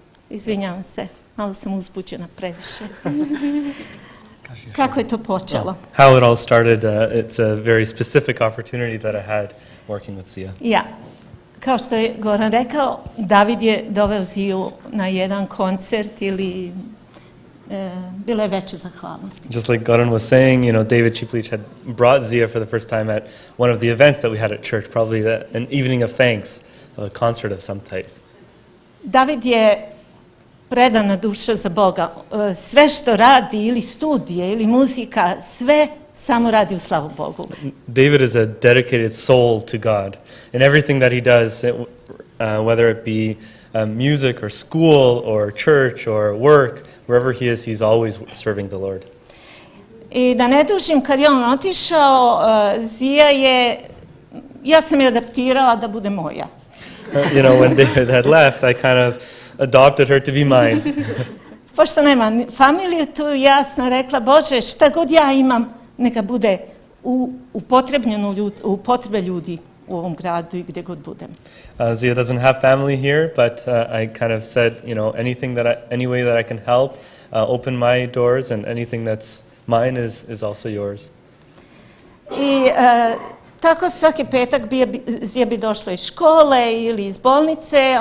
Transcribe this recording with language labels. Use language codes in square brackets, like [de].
[sr] Izvinjavam se, malo sam uzbuđena previše. Kako je to počelo? [en] Well, how it all started, it's a very specific opportunity that I had working with Zija. [sr] Yeah. Kao što je Goran rekao, David je doveo Ziju na jedan koncert ili bilo je veća zahvalnost. [en] Just like Goran was saying, you know, David Chiplich had brought Zija for the first time at one of the events that we had at church, probably an evening of thanks, a concert of some type. [sr] David je predana duša za Boga. Sve što radi ili studije ili muzika, sve samo radi u slavu Bogu. [en] David is a dedicated soul to God. And everything that he does, whether it be music or school or church or work, wherever he is, he's always serving the Lord. [sr] I da ne dužim, kad je on otišao, Zija je, ja sam je adaptirala da bude moja. [en] You know, when David had left, I kind of adopted her to be mine. [sr] Pošto nema familiju tu, ja sam rekla, Bože, šta god ja imam, neka bude u potrebe ljudi. U ovom gradu I gdje god budem. [en] Zija doesn't have family here, but I kind of said, you know, anything that any way that I can help, open my doors, and anything that's mine is also yours. [sr] I tako svaki petak Zija bi došla iz škole ili iz bolnice.